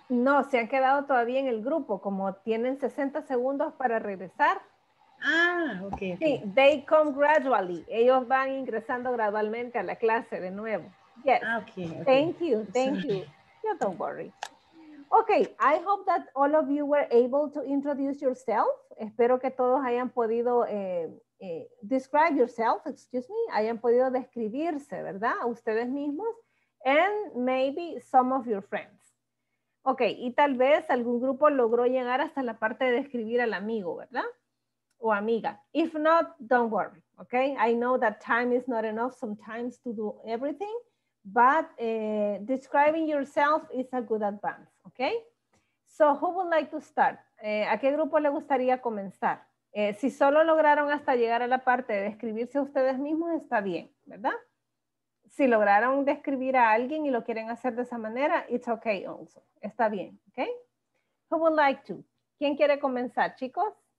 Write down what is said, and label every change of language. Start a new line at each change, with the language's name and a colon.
Spanish: No, se han quedado todavía en el grupo, como tienen 60 segundos para regresar. Ah, okay.
English: Sí, they come gradually.
Spanish: Ellos van ingresando gradualmente a la clase de nuevo.
English: Yes. Okay. Thank you. No, don't worry. Okay, I hope that all of you were able to introduce yourself.
Spanish: Espero que todos hayan podido
English: describe yourself, excuse me,
Spanish: hayan podido describirse, ¿verdad? Ustedes mismos.
English: And maybe some of your friends. Okay,
Spanish: y tal vez algún grupo logró llegar hasta la parte de describir al amigo, ¿verdad? O amiga.
English: If not, don't worry, okay? I know that time is not enough sometimes to do everything, but describing yourself is a good advance, okay? So who would like to start?
Spanish: ¿A qué grupo le gustaría comenzar? Si solo lograron hasta llegar a la parte de describirse a ustedes mismos, está bien, ¿verdad? Si lograron describir a alguien y lo quieren hacer de esa manera,
English: it's okay also.
Spanish: Está bien, okay?
English: Who would like to?
Spanish: ¿Quién quiere comenzar, chicos?